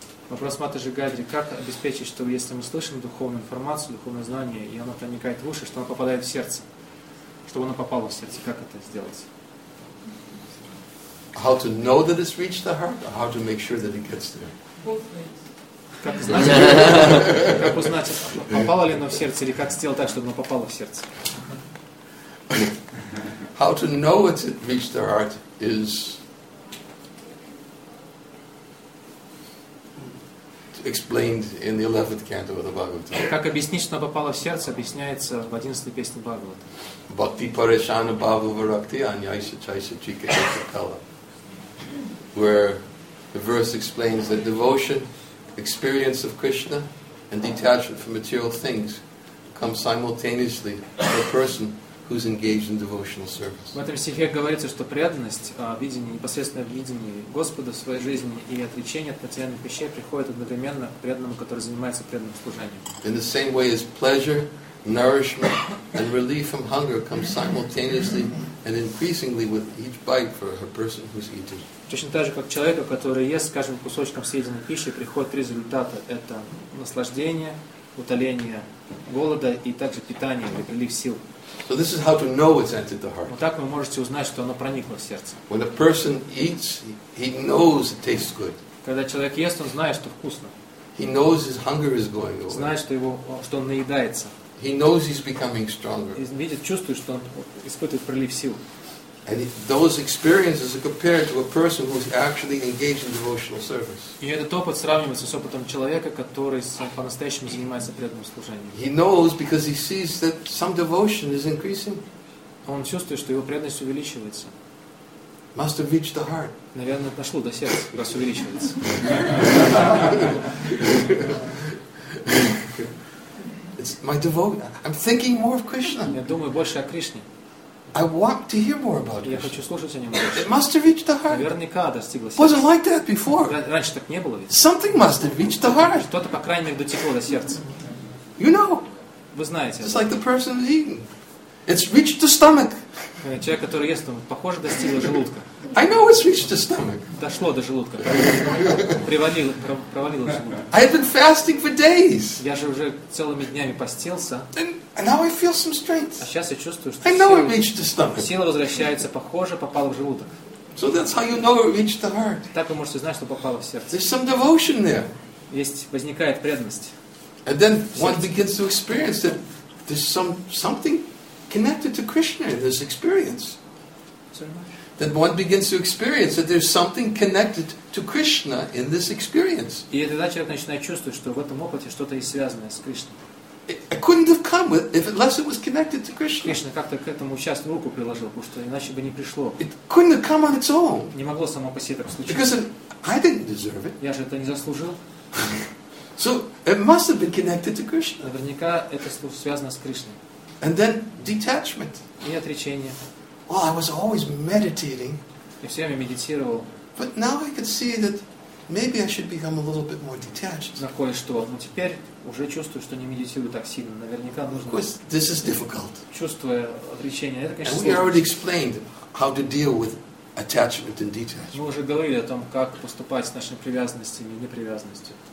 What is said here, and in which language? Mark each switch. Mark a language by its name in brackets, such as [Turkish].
[Russian] Вопрос Матаджи Гайдри, как обеспечить, что если мы слышим духовную информацию, духовное знание, и оно проникает в уши, что оно попадает в сердце? Чтобы оно попало в сердце, как это сделать? [English] How to know that it's reached the heart, or how to make sure that it gets there? [Russian] Как узнать, попало ли оно в сердце, или как сделать так, чтобы оно попало в сердце? [English] How to know it's reached the heart is... explained in the 11th canto of the Bhagavatam. [Russian] Как объяснить, что попало в сердце, объясняется в 11-й песне Бхагаватам. [Sanskrit] Bhakti parishana bhava virakti anyaisa chaisa chika kala. [English] Where the verse explains that devotion, experience of Krishna, and detachment from material things come simultaneously for a person who's engaged in devotional service. [Russian] В этом стихе говорится, что преданность, видение, непосредственное видение Господа в своей жизни и отречение от материальных вещей приходит одновременно к преданному, который занимается преданным служением. [English] In the same way as pleasure, nourishment, and relief from hunger come simultaneously and increasingly with each bite for a person who's eating. [Russian] Точно так же, как человеку, который ест, скажем, кусочком съеденной пищи, приходят три результата. Это наслаждение, утоление голода и также питание и прилив сил. [English] So this is how to know it's entered the heart. [Russian] Вот так вы можете узнать, что оно проникло в сердце. [English] When a person eats, he knows it tastes good. [Russian] Когда человек ест, он знает, что вкусно. [English] He knows his hunger is going away. [Russian] Знает, что его, что он наедается. [English] He knows he's becoming stronger. [Russian] И видит, чувствует, что он испытывает прилив сил. [English] And those experiences are compared to a person who's actually engaged in devotional service. [Russian] И этот опыт сравнивается с опытом человека, который по-настоящему занимается преданным служением. [English] He knows because he sees that some devotion is increasing. [Russian] Он чувствует, что его преданность увеличивается. [English] Must have reached the heart. [Russian] Наверное, дошло до сердца, раз увеличивается. [English] It's my devotion. I'm thinking more of Krishna. [Russian] Я думаю больше о Кришне. [English] I want to hear more about it. [Russian] Я хочу слушать о нем больше. [English] It must have reached the heart. [Russian] Наверняка достигло сердца. [English] Wasn't like that before. [Russian] Раньше так не было, ведь. [English] Something must have reached the heart. [Russian] Что-то по крайней мере дотекло до сердца. [English] You know. [Russian] Вы знаете. [English] It's like the person eating. It's reached the stomach. [Russian] Человек, который ест, он похоже достиг желудка. [English] I know it's reached the stomach. [Russian] Дошло до желудка. Провалило желудок. [English] I have been fasting for days. [Russian] Я же уже целыми днями постился. [English] And now I feel some strength. [Russian] А сейчас я чувствую, что [English] I know it reached the stomach. [Russian] Сила возвращается, похоже, попала в желудок. [English] So that's how you know it reached the heart. [Russian] Так вы можете знать, что попало в сердце. [English] There's some devotion there. [Russian] Есть, возникает преданность. [English] And then one begins to experience that there's something connected to Krishna in this experience. Then one begins to experience that there's something connected to Krishna in this experience. [Russian] И тогда человек начинает чувствовать, что в этом опыте что-то есть связанное с Кришной. [English] It couldn't have come unless it was connected to Krishna. [Russian] Кришна как-то к этому участную руку приложил, потому что иначе бы не пришло. [English] It couldn't have come on its own. [Russian] Не могло само по себе так случиться. [English] Because I didn't deserve it. [Russian] Я же это не заслужил. [English] So it must have been connected to Krishna. [Russian] Наверняка это связано с Кришной. [English] And then detachment. [Russian] И отречение. [English] Well, I was always meditating. [Russian] Я все время медитировал. [English] But now I could see that maybe I should become a little bit more detached. [Russian] На кое-что. Но теперь уже чувствую, что не медитирую так сильно. Наверняка нужно. [English] Of course, this is difficult. [Russian] Чувствуя отречение, это, конечно, [English] And we already explained how to deal with attachment and detachment. [Russian] Мы уже говорили о том, как поступать с нашими привязанностями и непривязанностью.